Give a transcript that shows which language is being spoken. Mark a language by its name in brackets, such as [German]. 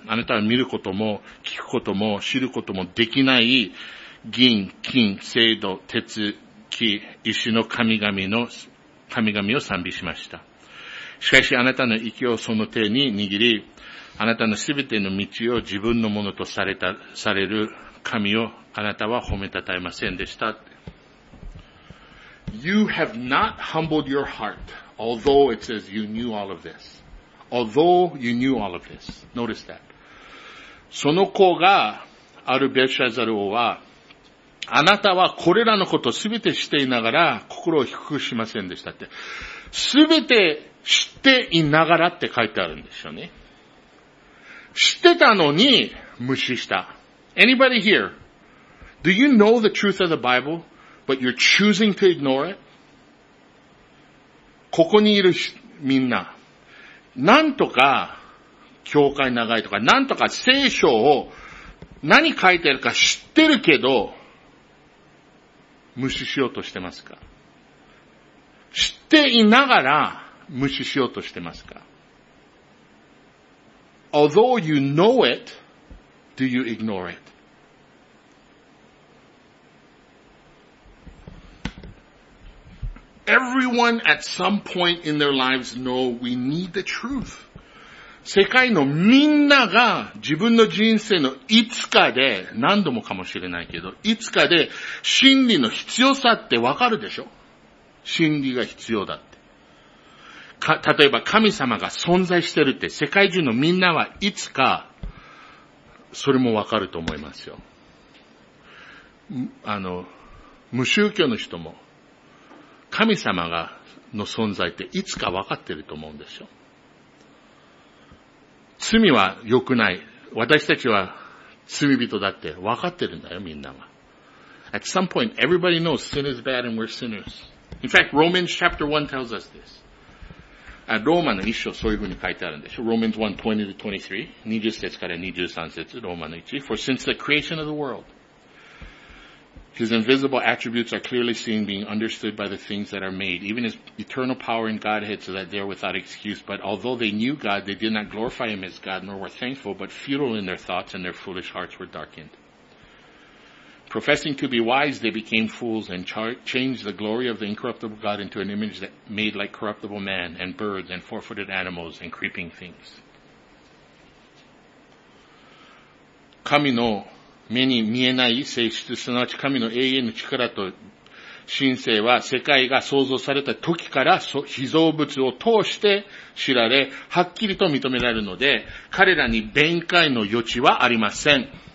[Japanese] あなたは見ることも、聞くことも、知ることもできない、銀、金、青銅、鉄、木、石の神々を賛美しました。しかしあなたの息をその手に握り、あなたのすべての道を自分のものとされる神をあなたは褒めたたえませんでした。 [English] You have not humbled your heart, although it says you knew all of this. Although you knew all of this. Notice that. [Japanese] その子があるベシャザル王は、あなたはこれらのことをすべて知っていながら心を低くしませんでしたって。すべて知っていながらって書いてあるんですよね。知ってたのに無視した。 [English] Anybody here? Do you know the truth of the Bible, but you're choosing to ignore it? [Japanese] ここにいるみんな、なんとか教会長いとか、なんとか聖書を何書いてるか知ってるけど、無視しようとしてますか？知っていながら無視しようとしてますか？ [English] Although you know it, do you ignore it? Everyone at some point in their lives know we need the truth. [Japanese] 世界のみんなが自分の人生のいつかで、何度もかもしれないけど、いつかで真理の必要さってわかるでしょ？真理が必要だって。例えば神様が存在してるって世界中のみんなはいつかそれもわかると思いますよ。無宗教の人も神様がの存在っていつかわかってると思うんですよ。罪は良くない。私たちは罪人だって分かってるんだよ、みんなが。 [English] At some point, everybody knows sin is bad and we're sinners. In fact, Romans chapter 1 tells us this. [Japanese] ローマの一章そういう風に書いてあるんでしょ。 [English] Romans 1:20-23, [Japanese] ローマの1. [English] For since the creation of the world, His invisible attributes are clearly seen, being understood by the things that are made, even His eternal power and Godhead, so that they are without excuse. But although they knew God, they did not glorify Him as God, nor were thankful, but futile in their thoughts, and their foolish hearts were darkened. Professing to be wise, they became fools, and changed the glory of the incorruptible God into an image that made like corruptible man, and birds, and four-footed animals, and creeping things. [Japanese] 神の目に見えない性質、すなわち神の永遠の力と神性は、世界が創造された時から被造物を通して知られ、はっきりと認められるので、彼らに弁解の余地はありません。